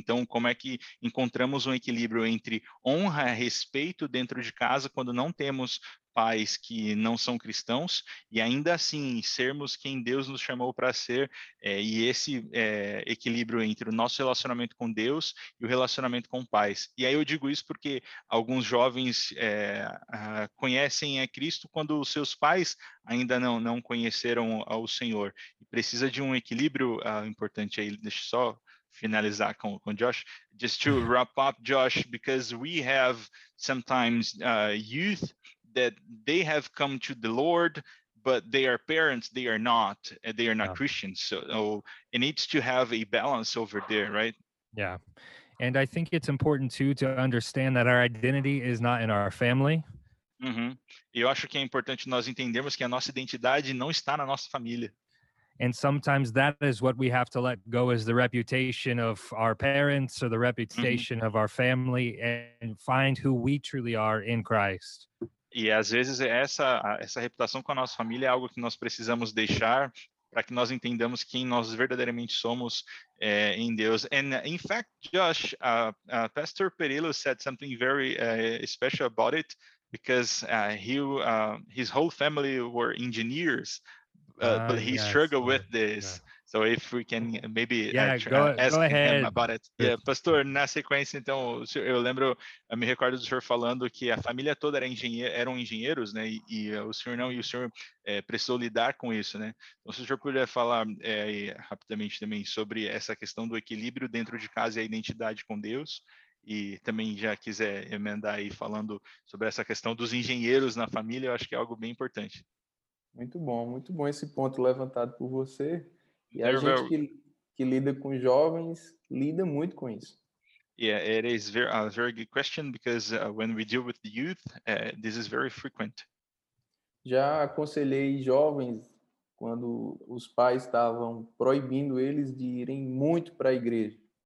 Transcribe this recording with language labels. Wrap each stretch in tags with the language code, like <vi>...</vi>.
<pt>Então, como é que encontramos um equilíbrio entre honra e respeito dentro de casa quando não temos pais que não são cristãos, e ainda assim sermos quem Deus nos chamou para ser, e esse equilíbrio entre o nosso relacionamento com Deus e o relacionamento com pais. E aí eu digo isso porque alguns jovens conhecem a Cristo quando os seus pais ainda não conheceram o Senhor, e precisa de um equilíbrio importante aí. Deixa só finalizar com Josh.</pt> <en>Just to wrap up, Josh, because we have sometimes youth that they have come to the Lord, but their parents, they are not yeah. Christians. So it needs to have a balance over there, right? Yeah. And I think it's important too to understand that our identity is not in our family. Mm-hmm.</en> <pt>Eu acho que é importante nós entendermos que a nossa identidade não está na nossa família.</pt> <en>And sometimes that is what we have to let go, is the reputation of our parents or the reputation mm-hmm. of our family, and find who we truly are in Christ.</en> <pt>E às vezes essa reputação com a nossa família é algo que nós precisamos deixar para que nós entendamos quem nós verdadeiramente somos em Deus.</pt> <en>And in fact, Josh, Pastor Perillo said something very special about it, because his whole family were engineers, but he yes, struggled with this. Yeah. So if we can maybe ask him about it.</en> <pt>Yeah, pastor, na sequência, então, eu lembro, eu me recordo do senhor falando que a família toda eram engenheiros, né? E o senhor não, e o senhor precisou lidar com isso, né? Então, se o senhor puder falar rapidamente também sobre essa questão do equilíbrio dentro de casa e a identidade com Deus, e também já quiser emendar aí falando sobre essa questão dos engenheiros na família, eu acho que é algo bem importante. Muito bom esse ponto levantado por você. E a gente que lida com jovens lida muito com isso.</pt> <en>Yeah, it is a very good question, because when we deal with the youth, this is very frequent.</en> <pt>Já aconselhei jovens quando os pais estavam proibindo eles de irem muito para a igreja.</pt>